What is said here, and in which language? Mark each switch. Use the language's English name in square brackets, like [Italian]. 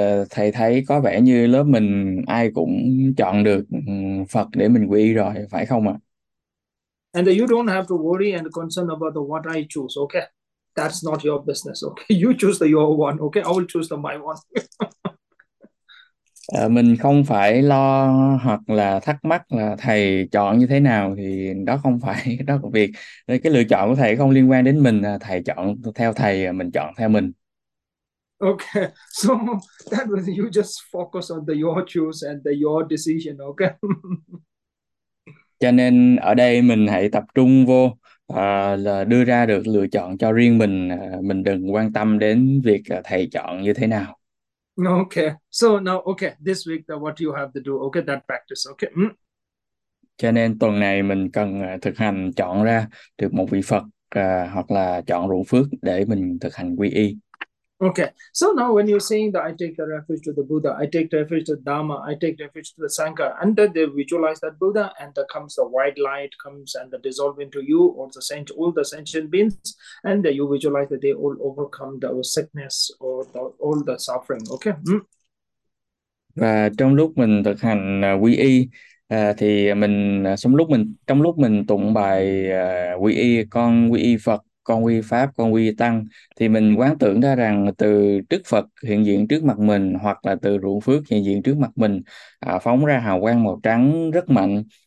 [Vietnamese] Thầy thấy có vẻ như lớp mình ai cũng chọn được Phật để mình quy y rồi, phải không ạ? [English] And you don't have to worry and concern about the what I choose, okay? That's not your business, okay? You choose the your one, okay? I will choose the my one. [Vietnamese] Mình không phải lo hoặc là thắc mắc là thầy chọn như thế nào, thì đó không phải, đó là việc cái lựa chọn của thầy không liên quan đến mình, thầy chọn theo thầy, mình chọn theo mình. [English] Okay, so that was you just focus on the your choose and the your decision, okay? [Vietnamese] Cho nên ở đây mình hãy tập trung vô là đưa ra được lựa chọn cho riêng mình đừng quan tâm đến việc thầy chọn như thế nào. [English] Okay, so now okay, this week the what you have to do, okay, that practice, okay. [Vietnamese] Cho nên tuần này mình cần thực hành chọn ra được một vị Phật hoặc là chọn ruộng phước để mình thực hành quy y. [English] Okay, so now when you're saying that I take the refuge to the Buddha, I take refuge to Dharma, I take refuge to the Sangha, and then they visualize that Buddha, and there comes the white light comes and the dissolve into you or the sent all the sentient beings, and then you visualize that they all overcome the sickness or the all the suffering. Okay. [Vietnamese] Và trong lúc mình thực hành quy y thì mình sống lúc mình trong lúc mình tụng bài quy y, con quy y Phật, con quy y Pháp, con quy y Tăng, thì mình quán tưởng ra rằng từ Đức Phật hiện diện trước mặt mình hoặc là từ ruộng phước hiện diện trước mặt mình phóng ra hào quang màu trắng rất mạnh.